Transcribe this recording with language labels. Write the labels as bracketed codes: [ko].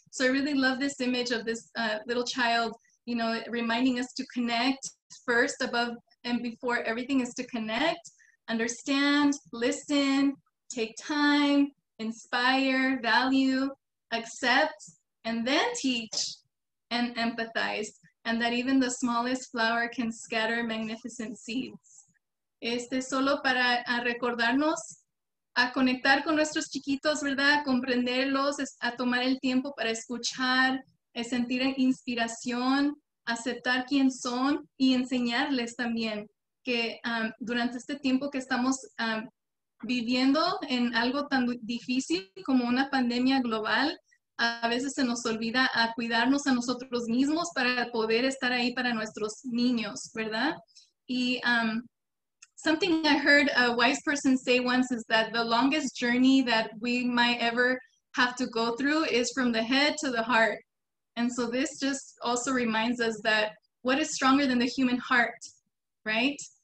[en] So I really love this image of this little child, you know, reminding us to connect first above and before everything is to connect, understand, listen, take time, inspire, value, accept, and then teach. and empathize, and that even the smallest flower can scatter magnificent seeds. [es] Este solo para recordarnos a conectar con nuestros chiquitos, ¿verdad? A comprenderlos, a tomar el tiempo para escuchar, a sentir inspiración, aceptar quién son y enseñarles también que durante este tiempo que estamos viviendo en algo tan difícil como una pandemia global, a veces se nos olvida a cuidarnos a nosotros mismos para poder estar ahí para nuestros niños, ¿verdad? [en] Y something I heard a wise person say once is that the longest journey that we might ever have to go through is from the head to the heart. And so this just also reminds us that what is stronger than the human heart, right?